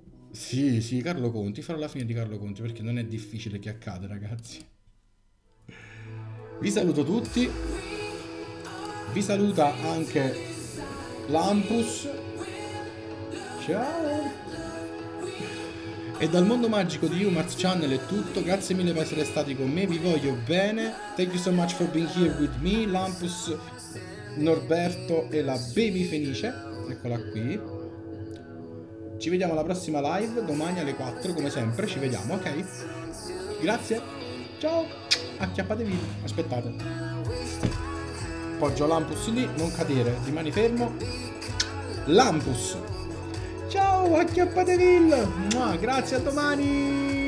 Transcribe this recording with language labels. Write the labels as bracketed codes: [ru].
[it] Sì, Carlo Conti. Farò la fine di Carlo Conti, perché non è difficile che accada, ragazzi. Vi saluto tutti. Vi saluta anche Lampus. Ciao. E dal mondo magico di Umarth Channel è tutto. Grazie mille per essere stati con me. Vi voglio bene. [en] Thank you so much for being here with me, Lampus, Norberto [it] e la [en] Baby Fenice. [it] Eccola qui. Ci vediamo alla prossima live domani alle 4, come sempre. Ci vediamo, ok? Grazie. Ciao. Acchiappatevi. Aspettate. Appoggio Lampus lì, non cadere, rimani fermo. Lampus! Ciao, acchiappatevi! Grazie, a domani!